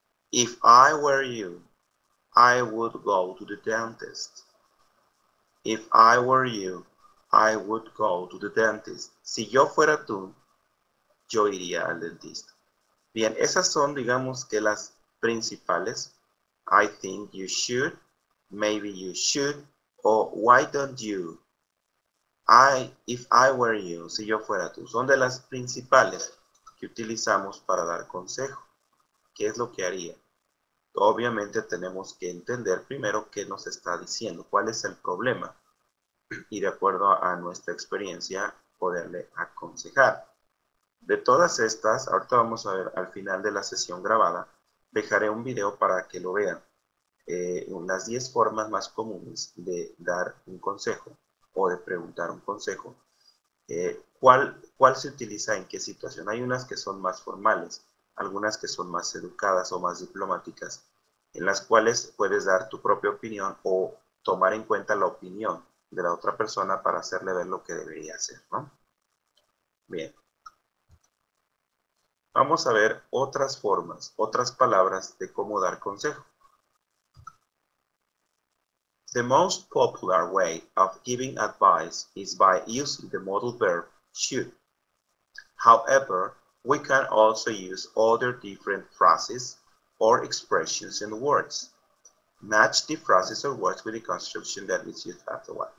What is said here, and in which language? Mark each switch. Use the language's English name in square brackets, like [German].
[English] If I were you, I would go to the dentist. If I were you, I would go to the dentist. [Spanish] Si yo fuera tú, yo iría al dentista. Bien, esas son, digamos, que las principales. [English] I think you should, maybe you should, or why don't you? If I were you, [Spanish] si yo fuera tú. Son de las principales que utilizamos para dar consejo. ¿Qué es lo que haría? Obviamente tenemos que entender primero qué nos está diciendo, cuál es el problema. Y de acuerdo a nuestra experiencia, poderle aconsejar. De todas estas, ahorita vamos a ver al final de la sesión grabada, dejaré un video para que lo vean. Las 10 formas más comunes de dar un consejo o de preguntar un consejo. ¿Cuál se utiliza en qué situación? Hay unas que son más formales, algunas que son más educadas o más diplomáticas, en las cuales puedes dar tu propia opinión o tomar en cuenta la opinión de la otra persona para hacerle ver lo que debería hacer, ¿no? Bien. Vamos a ver otras formas, otras palabras de cómo dar consejo. [English] The most popular way of giving advice is by using the modal verb should. However, we can also use other different phrases or expressions and words. Match the phrases or words with the construction that is used after one.